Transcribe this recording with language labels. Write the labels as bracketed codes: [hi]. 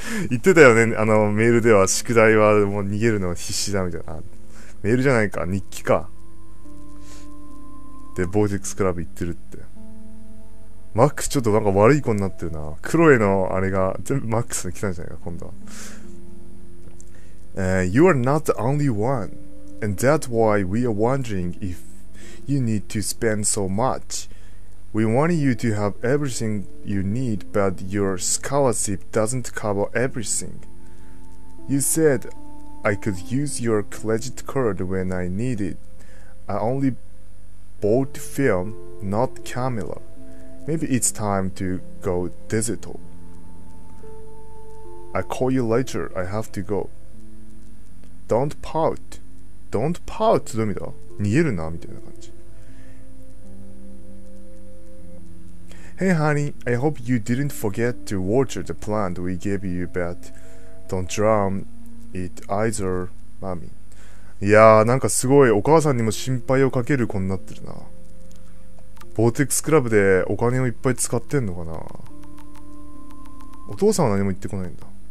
[ja] 言ってたよね、あのメールでは宿題はもう逃げるのは必死だみたいな。メールじゃないか、日記か。で、ボーイズエクスクラブ行ってるって。マックスちょっとなんか悪い子になってるな。クロエのあれが全部マックスに来たんじゃないか、今度は。 [en] You are not the only one, and that's why we are wondering if you need to spend so much. We wanted you to have everything you need, but your scholarship doesn't cover everything. You said I could use your credit card when I need it. I only bought film, not camera. Maybe it's time to go digital. I'll call you later. I have to go. Don't pout. Don't pout, ドミド。 [ja] 逃げるな、みたいな感じ。 [en] Hey honey, I hope you didn't forget to water the plant we gave you, but don't drown it either, mommy. [ja] いやー、なんかすごいお母さんにも心配をかける子になってるな。ボーテックスクラブでお金をいっぱい使ってんのかな。お父さんは何も言ってこないんだ。